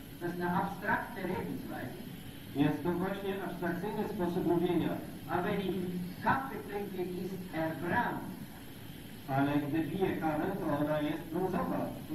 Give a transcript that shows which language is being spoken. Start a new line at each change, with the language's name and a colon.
German: Das ist eine abstrakte Redensweise.
Polish: Jest to właśnie abstrakcyjny sposób mówienia.
German: Aber wenn ich Kaffee trinke, ist er braun.
Polish: Ale gdy pije kawę, to ona jest brązowa.